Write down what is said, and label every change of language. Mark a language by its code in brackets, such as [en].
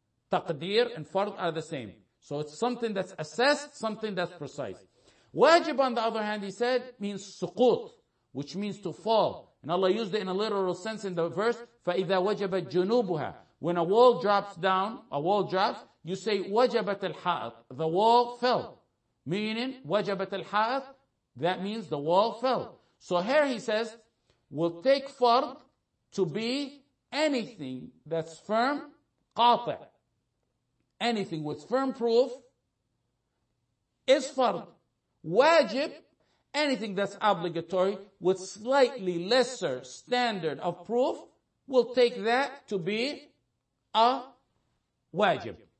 [en] Taqdeer and fard are the same. So it's something that's assessed, something that's precise. Wajib, on the other hand, he said, means suqut, which means to fall. And Allah used it in a literal sense in the verse, [ar] فَإِذَا وَجَبَتْ جُنُوبُهَا. [en] When a wall drops down, a wall drops, you say, [ar] وَجَبَتْ الْحَائِطُ. [en] The wall fell. [ar] Meaning, وَجَبَتْ الْحَائِطُ. [en] That means the wall fell. So here he says, we'll take fard to be anything that's firm, qati'. Anything with firm proof is fard. Wajib, anything that's obligatory with slightly lesser standard of proof, we'll take that to be a wajib.